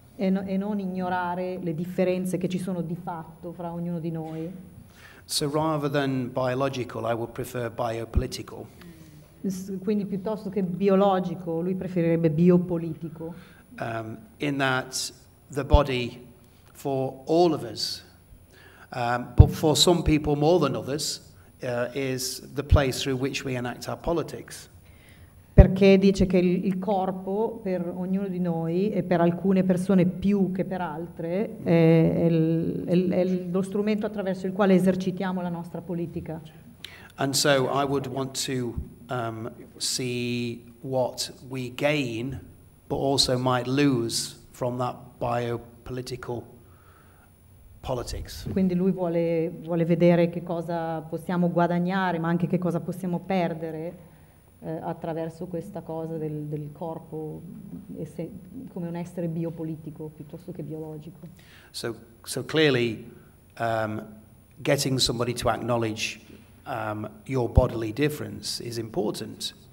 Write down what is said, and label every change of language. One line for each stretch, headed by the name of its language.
Italian: E non ignorare le differenze che ci sono di fatto fra ognuno di noi.
English: So rather than biological, I would prefer biopolitical.
Italian: Quindi piuttosto che biologico, lui preferirebbe biopolitico.
English: In that the body, for all of us, but for some people more than others, is the place through which we enact our politics.
Italian: Perché dice che il corpo, per ognuno di noi, e per alcune persone più che per altre, è lo strumento attraverso il quale esercitiamo la nostra politica.
English: And so I would want to see what we gain, but also might lose from that biopolitical politics.
Italian: Quindi lui vuole vedere che cosa possiamo guadagnare, ma anche che cosa possiamo perdere attraverso questa cosa del corpo come un essere biopolitico piuttosto che biologico.
English: So clearly getting somebody to acknowledge your bodily difference is important.